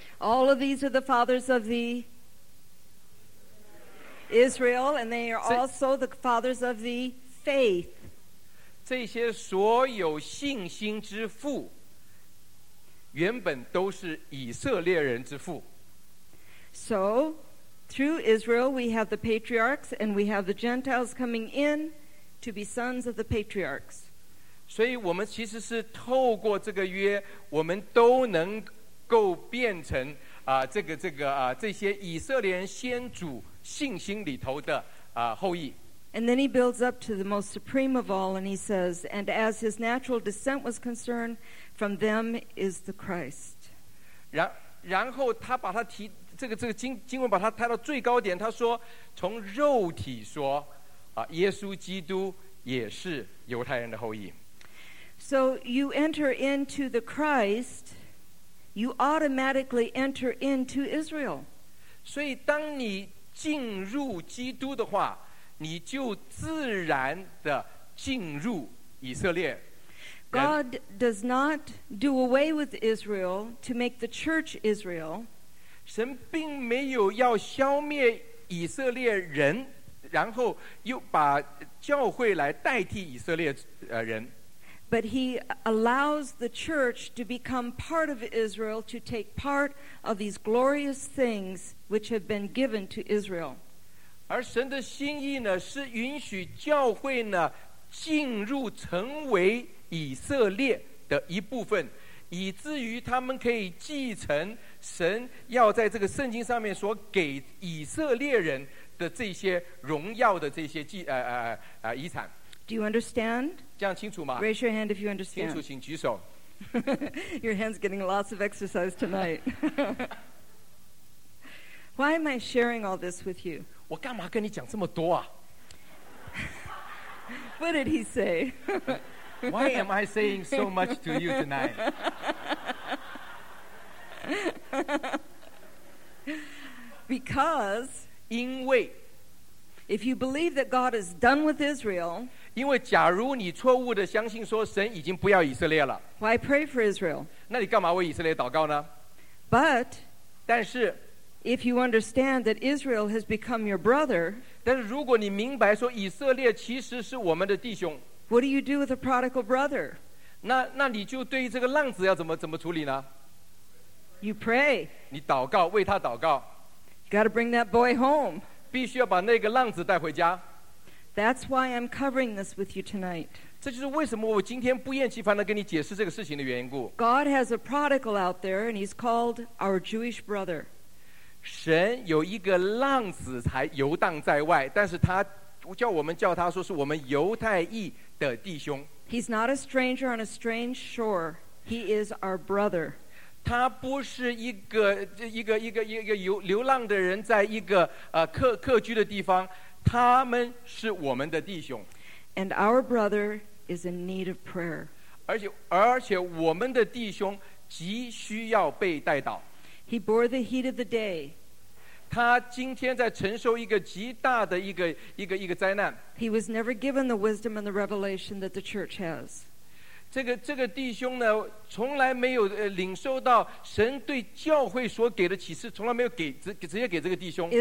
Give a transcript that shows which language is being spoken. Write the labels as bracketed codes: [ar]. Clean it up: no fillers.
[en] All of these are the fathers of the Israel, and they are also the fathers of the faith. [zh] 这些所有信心之父，原本都是以色列人之父。 [en] So, through Israel, we have the patriarchs, and we have the Gentiles coming in to be sons of the patriarchs. [zh] 所以我们其实是透过这个约，我们都能够变成这些以色列人先祖信心里头的后裔。 [en] And then he builds up to the most supreme of all, and he says, "And as his natural descent was concerned, from them is the Christ." [zh] 然后他把他提这个经文把他抬到最高点，他说从肉体说耶稣基督也是犹太人的后裔。 [en] So you enter into the Christ. You automatically enter into Israel. [zh] 所以当你进入基督的话，你就自然地进入以色列。 [en] God does not do away with Israel to make the church Israel. [zh] 神并没有要消灭以色列人，然后又把教会来代替以色列人。 [en] But he allows the church to become part of Israel to take part of these glorious things which have been given to Israel. [zh] 而神的心意呢，是允许教会呢进入成为以色列的一部分，以至于他们可以继承神要在这个圣经上面所给以色列人的这些荣耀的这些遗产。 [en] Do you understand? [zh] 这样清楚吗？ [en] Raise your hand if you understand. [zh] 清楚请举手。 [en] Your hand's getting lots of exercise tonight. Why am I sharing all this with you? [zh] 我干嘛跟你讲这么多啊？ [en] What did he say? Why am I saying so much to you tonight? Because [zh] 因为 [en] if you believe that God is done with Israel, [zh] 因为假如你错误地相信说神已经不要以色列了， [en] why pray for Israel? [zh] 那你干嘛为以色列祷告呢？ [en] But [zh] 但是 [en] if you understand that Israel has become your brother, [zh] 但是如果你明白说以色列其实是我们的弟兄， [en] what do you do with a prodigal brother? [zh] 那你就对于这个浪子要怎么处理呢？ [en] You pray. [zh] 你祷告，为他祷告。 [en] Got to bring that boy home. [zh] 必须要把那个浪子带回家。 [en] That's why I'm covering this with you tonight. [zh] 这就是为什么我今天不厌其烦地跟你解释这个事情的缘故。 [en] God has a prodigal out there and he's called our Jewish brother. [zh] 神有一个浪子才游荡在外，但是他叫我们叫他说是我们犹太裔的弟兄。 [en] He's not a stranger on a strange shore. He is our brother. [zh] 他不是一个流浪的人，在一个客居的地方，他们是我们的弟兄。 [en] And our brother is in need of prayer. [zh] 而且我们的弟兄急需要被带到。 [en] He bore the heat of the day. [zh] 他今天在承受一个极大的一个灾难。 [en] He was never given the wisdom and the revelation that the church has. [zh] 这个弟兄呢，从来没有领受到神对教会所给的启示，从来没有直接给这个弟兄。